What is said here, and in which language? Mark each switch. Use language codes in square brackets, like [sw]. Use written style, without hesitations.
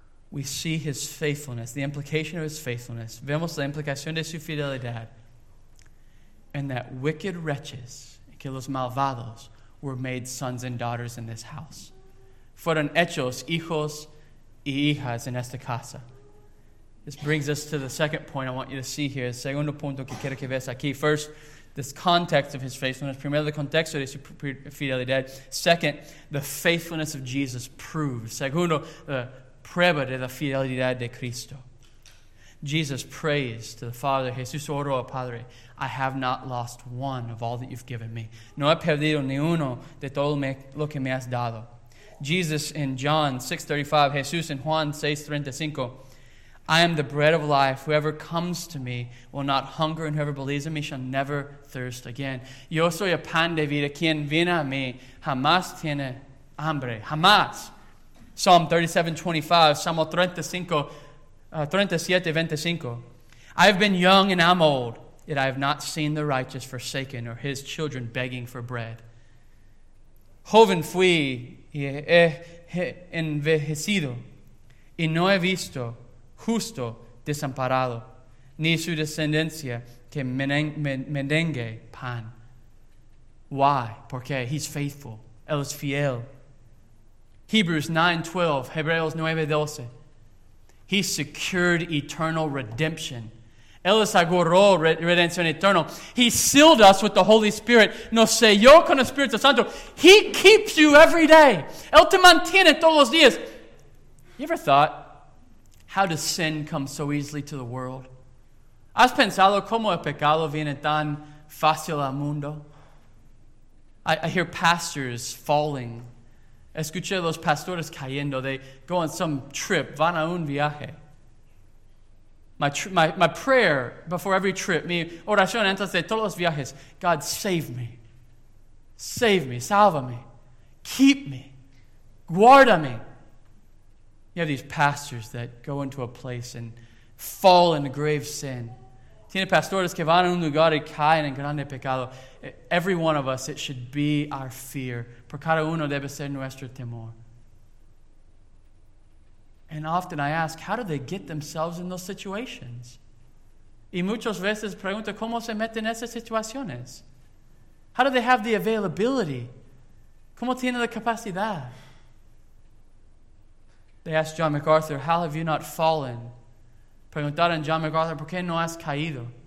[en] We see his faithfulness, the implication of his faithfulness. [es] Vemos la implicación de su fidelidad. [en] And that wicked wretches, [es] que los malvados, [en] were made sons and daughters in this house. [es] Fueron hechos hijos y hijas en esta casa. [en] This brings us to the second point I want you to see here. [es] El segundo punto que quiero que veas aquí. [en] First, this context of his faithfulness. [es] Primero, el contexto de su fidelidad. [en] Second, the faithfulness of Jesus proved. [es] Segundo, [en] the [es] prueba de la fidelidad de Cristo. [en] Jesus prays to the Father. [es] Jesús oró al Padre. [en] I have not lost one of all that you've given me. [es] No he perdido ni uno de todo lo que me has dado. [en] Jesus in John 6:35, Jesús in Juan 6:35, I am the bread of life. Whoever comes to me will not hunger, and whoever believes in me shall never thirst again. [es] Yo soy el pan de vida. Quien viene a mí jamás tiene hambre. Jamás. [en] Psalm 37:25, Salmo 37:25. I have been young and I'm old, yet I have not seen the righteous forsaken or his children begging for bread. [es] Joven fui y he envejecido, y no he visto justo desamparado, ni su descendencia que mendigue pan. [en] Why? [es] Porque [en] he's faithful. [es] Él es fiel. [en] Hebrews 9:12, Hebreos 9:12. He secured eternal redemption. [es] Él aseguró redención eternal. [en] He sealed us with the Holy Spirit. [es] Nos selló con el Espíritu Santo. [en] He keeps you every day. [es] Él te mantiene todos los días. [en] You ever thought, how does sin come so easily to the world? [es] ¿Has pensado cómo el pecado viene tan fácil al mundo? [en] I hear pastors falling. [es] Escuché los pastores cayendo. [en] They go on some trip. [es] Van a un viaje. [en] My prayer before every trip. [es] Mi oración antes de todos los viajes. [en] God, save me. Save me. [es] Sálvame. [en] Keep me. [es] Guárdame. [en] You have these pastors that go into a place and fall into grave sin. [es] Tiene pastores que van a un lugar y caen en grande pecado. [en] Every one of us, it should be our fear. [es] Por cada uno debe ser nuestro temor. [en] And often I ask, how do they get themselves in those situations? [es] Y muchas veces pregunto, ¿cómo se meten en esas situaciones? [en] How do they have the availability? [es] ¿Cómo tiene la capacidad? [en] They ask John MacArthur, how have you not fallen? [es] Preguntaron John MacArthur, ¿por qué no has caído?